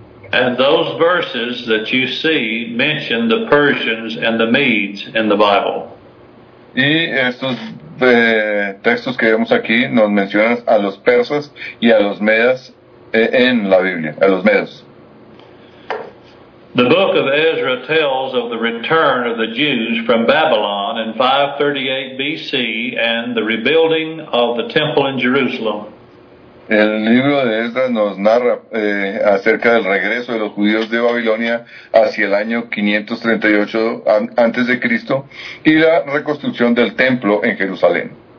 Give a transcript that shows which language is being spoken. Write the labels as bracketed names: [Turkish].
[English] And those verses that you see mention the Persians and the Medes in the Bible. [Spanish] Y estos textos que vemos aquí nos mencionan a los persas y a los medas en la Biblia, a los medos. [English] The book of Ezra tells of the return of the Jews from Babylon in 538 BC and the rebuilding of the temple in Jerusalem. [Spanish] El libro de Ezra nos narra acerca del regreso de los judíos de Babilonia hacia el año 538 antes de Cristo y la reconstrucción del templo en Jerusalén.